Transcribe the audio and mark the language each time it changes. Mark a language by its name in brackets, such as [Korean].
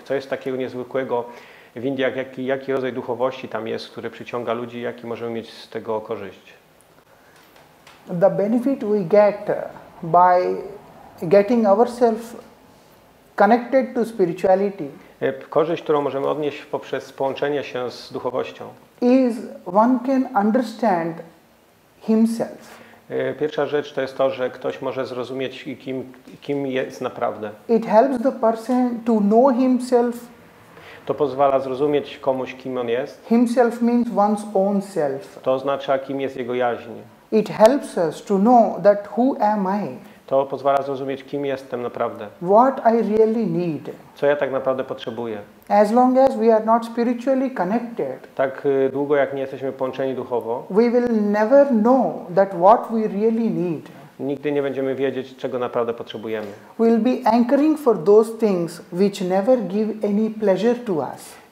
[Polish] Co jest takiego niezwykłego w Indiach? Jaki rodzaj duchowości tam jest, który przyciąga ludzi? Jaki możemy mieć z tego korzyść? [English] The benefit we get by getting ourselves connected to spirituality. [Polish] Korzyść, którą możemy odnieść poprzez połączenie się z duchowością, [English] is one can understand himself. [Polish] Pierwsza rzecz to jest to, że ktoś może zrozumieć, kim jest naprawdę. [English] It helps the person to know himself. [Polish] To pozwala zrozumieć komuś, kim on jest. [English] Himself means one's own self. [Polish] To oznacza, kim jest jego jaźń. [English] It helps us to know that who am I. [Polish] To pozwala zrozumieć, kim jestem naprawdę. [English] What I really need. [Polish] Co ja tak naprawdę potrzebuję. [English] As long as we are not spiritually connected. [Polish] Tak długo, jak nie jesteśmy połączeni duchowo. [English] We will never know that what we really need. [Polish] Nigdy nie będziemy wiedzieć, czego naprawdę potrzebujemy. [English] We'll be anchoring for those things which never give any pleasure to us.